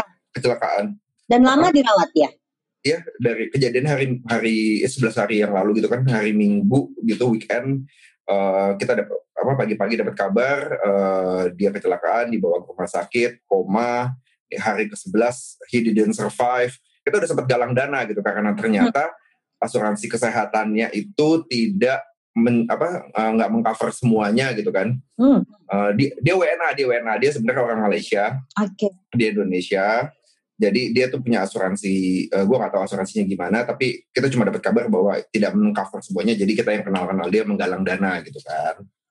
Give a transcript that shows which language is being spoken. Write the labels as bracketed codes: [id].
[id] Kecelakaan. Dan lama dirawat ya? Iya, dari kejadian hari 11 hari yang lalu gitu kan, hari Minggu gitu, weekend. Kita dapat pagi-pagi dapat kabar dia kecelakaan, dibawa ke rumah sakit, koma. Hari ke-11 [en] he didn't survive. [id] Kita udah sempat galang dana gitu karena ternyata asuransi kesehatannya itu tidak enggak mengcover semuanya gitu kan. Dia WNA, dia sebenarnya orang Malaysia. Oke. Okay. Di Indonesia. Jadi dia tuh punya asuransi, gue gak tahu asuransinya gimana, tapi kita cuma dapat kabar bahwa tidak meng-cover semuanya, jadi kita yang kenal-kenal dia menggalang dana gitu kan.